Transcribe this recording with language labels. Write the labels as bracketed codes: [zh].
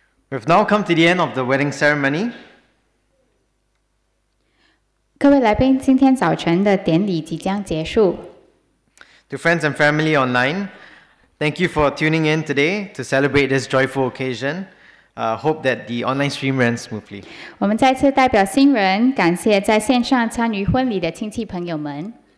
[en] We've now come to the end of the wedding ceremony. [zh] 各位来宾, 今天早晨的典礼即将结束。 [en] To friends and family online, thank you for tuning in today to celebrate this joyful occasion. Hope that the online stream ran smoothly. [zh] 我们再次代表新人, 感谢在线上参与婚礼的亲戚朋友们。